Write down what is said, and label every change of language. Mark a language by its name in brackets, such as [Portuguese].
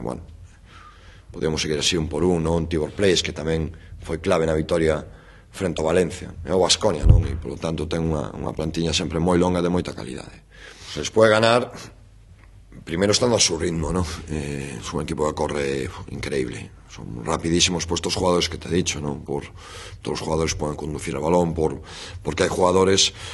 [Galician] Bueno, podemos seguir así un por un, ¿no? Un Tibor Pleis, que tamén foi clave na vitoria frente a Valencia, e o Baskonia, ¿no? E, [Spanish] por lo tanto, [Galician] ten unha plantiña sempre moi longa de moita calidade. [Spanish] Se les pode ganar, primero estando a su ritmo, ¿no? Es un equipo que corre increíble. Son rapidísimos, pues, estos jugadores que te he dicho, ¿no? Por todos los jugadores pueden conducir el balón, porque hay jugadores,